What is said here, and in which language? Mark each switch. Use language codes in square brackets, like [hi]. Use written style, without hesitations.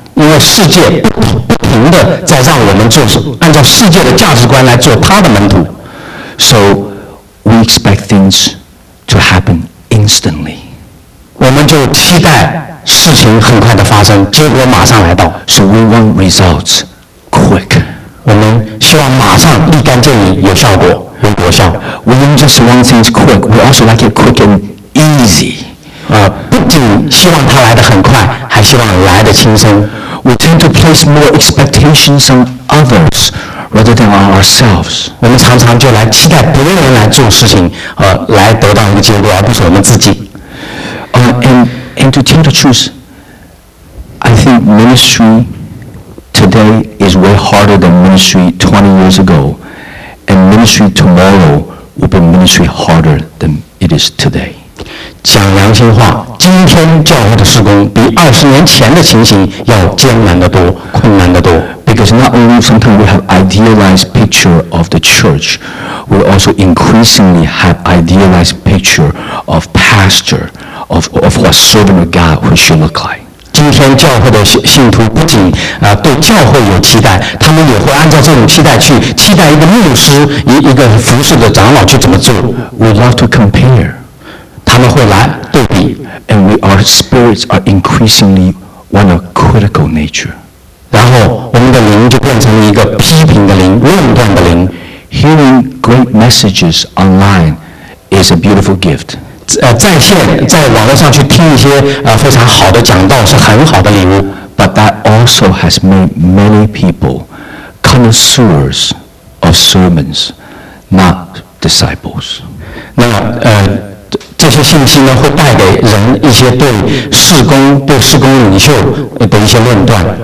[zh] 因为世界不停地在让我们做出按照世界的价值观来做他的门徒。 [en] So we expect things to happen instantly. [zh] 我们就期待。事情很快的发生，结果马上来到。 [en] So we want results quick. [zh] 我们希望马上立竿见影，有效果，有果效。 [en] We don't just want things quick. We also like it quick and easy. [zh] 不仅希望它来得很快，还希望来得轻松。 [en] We tend to place more expectations on others rather than on ourselves. [zh] 我们常常就来期待别人来做事情，来得到一个结果，而不是我们自己。 [en] And to tell the truth, I think ministry today is way harder than ministry 20 years ago, and ministry tomorrow will be ministry harder than it is today. [zh] 讲良心话，今天教会的事工比20年前的情形要艰难得多，困难得多。 [en] Because not only sometimes we have idealized picture of the church, we also increasingly have idealized picture of pastor. Of what servant of God we should look like. [zh] 今天教会的信徒不仅对教会有期待，他们也会按照这种期待去期待一个牧师一个服事的长老去怎么做。 [en] We love to compare. [zh] 他们会来对比。 [en] And our spirits are increasingly one of critical nature. [zh] 然后我们的灵就变成了一个批评的灵，论断的灵。 [en] Hearing great messages online is a beautiful gift. [zh] 在线在网络上去听一些非常好的讲道是很好的礼物。 [en] But that also has made many people connoisseurs of sermons, not disciples. [zh] 那这些信息呢会带给人一些对事工领袖的一些论断。